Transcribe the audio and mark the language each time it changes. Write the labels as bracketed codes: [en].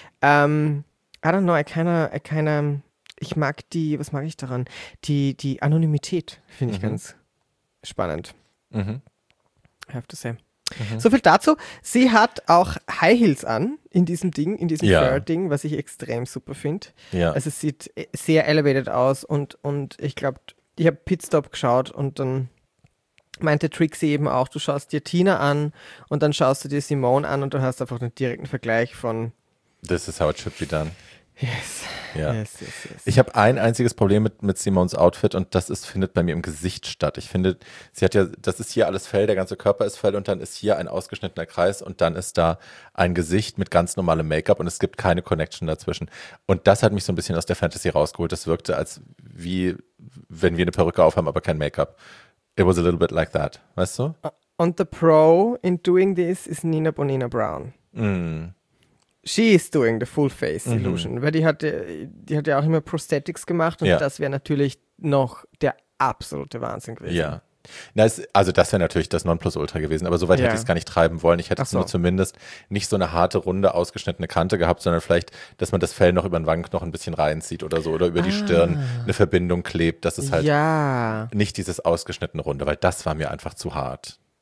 [en] I don't know, I kinda, [de] ich mag die, was mag ich daran? Die Anonymität finde ich ganz spannend. Mhm. [en] I have to say. [de] So viel dazu. Sie hat auch High Heels an in diesem Ding, in diesem Fur-Ding, was ich extrem super finde. Ja. Also es sieht sehr elevated aus und ich glaube, ich habe Pitstop geschaut und dann meinte Trixie eben auch, du schaust dir Tina an und dann schaust du dir Simone an und du hast einfach einen direkten Vergleich von [en] This is how it should be done. Yes. [de] Ja. [en] Yes, yes, yes. [de] Ich habe ein einziges Problem mit Simones Outfit und das findet bei mir im Gesicht statt. Ich finde, sie hat ja, das ist hier alles Fell, der ganze Körper ist Fell und dann ist hier ein ausgeschnittener Kreis und dann ist da ein Gesicht mit ganz normalem Make-up und es gibt keine Connection dazwischen. Und das hat mich so ein bisschen aus der Fantasy rausgeholt. Das wirkte als wie, wenn wir eine Perücke aufhaben, aber kein Make-up. [en] It was a little bit like that, [de] weißt du? [en] And the pro in doing this is Nina Bonina Brown. Mm. She is doing the full face illusion, [de] weil die hat ja auch immer Prosthetics gemacht und das wäre natürlich noch der absolute Wahnsinn gewesen. Ja, also das wäre natürlich das Nonplusultra gewesen, aber so weit hätte ich es gar nicht treiben wollen. Ich hätte es nur zumindest nicht so eine harte, runde, ausgeschnittene Kante gehabt, sondern vielleicht, dass man das Fell noch über den Wangenknochen noch ein bisschen reinzieht oder so oder über die Stirn eine Verbindung klebt, dass es halt nicht dieses ausgeschnittene Runde, weil das war mir einfach zu hart.